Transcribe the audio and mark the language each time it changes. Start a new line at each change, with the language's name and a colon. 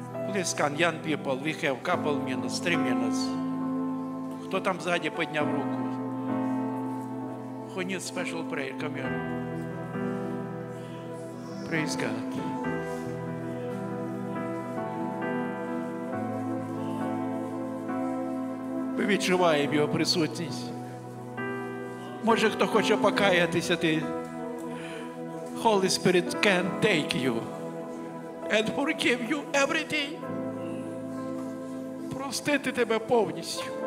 English: Please, can young people, we have a couple minutes, 3 minutes.
Ukrainian: Хто там ззаді підняв руку?
English: Who needs special prayer? Come here. Praise God.
Ukrainian: Ми відчуваємо Його присутність. Може, хто хоче покаятися, ти...
English: Holy Spirit can take you and forgive you every day.
Ukrainian: Простити тебе повністю.